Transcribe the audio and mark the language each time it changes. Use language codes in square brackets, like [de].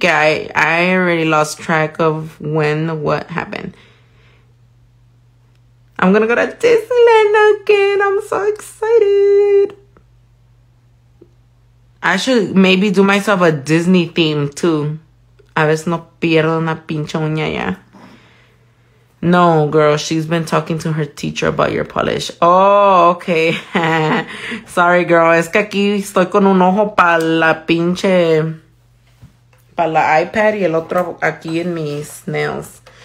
[en] I already lost track of when what happened. I'm going to go to Disneyland again. I'm so excited. I should maybe do myself a Disney theme too. [es] A veces no pierdo una pinche uña ya. [en] No, girl, she's been talking to her teacher about your polish. Oh, okay. Sorry, girl. [es] Es que aquí estoy con un ojo para la pinche... para la iPad y el otro aquí en mis nails.